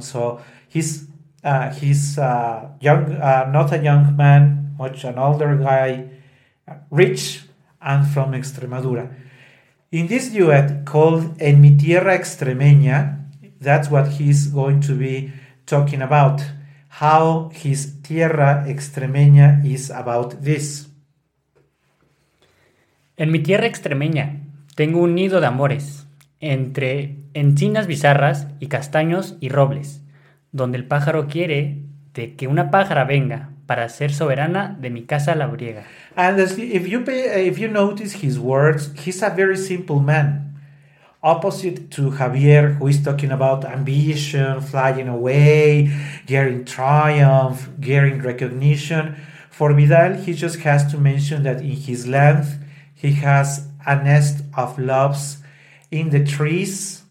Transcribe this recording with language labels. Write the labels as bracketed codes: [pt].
[en] So he's not a young man, much an older guy, rich, and from Extremadura. In this duet called En mi [es] tierra extremeña, [en] that's what he's going to be talking about, how his tierra extremeña is about this. [es] En mi tierra extremeña tengo un nido de amores entre encinas bizarras y castaños y robles, donde el pájaro quiere de que una pájara venga para ser soberana de mi casa labriega. [en] And if you notice his words, he's a very simple man. Opposite to Javier, who is talking about ambition, flying away, gearing triumph, gearing recognition, for Vidal, he just has to mention that in his land, he has a nest of loves in the trees.